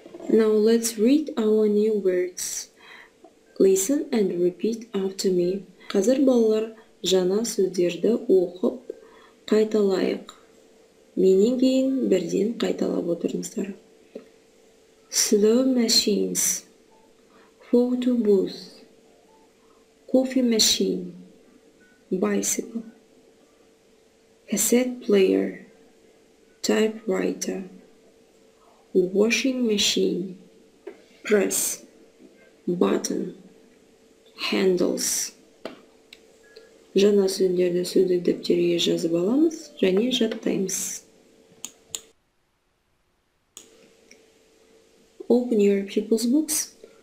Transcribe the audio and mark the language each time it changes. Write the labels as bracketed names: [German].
[English] Now let's read our new words. Listen and repeat after me. [Kazakh] Қазір балалар жаңа сөздерді оқып қайталайық. Менен кейін бірден қайталап отырыңыздар. [English] Slow machines. Photo booth, coffee machine, bicycle, cassette player, typewriter, washing machine, press, button, handles. [Kazakh] Жаңа сөздерді сөздік дәптерге жазып аламыз және жаттаймыз. [English] Open your people's books.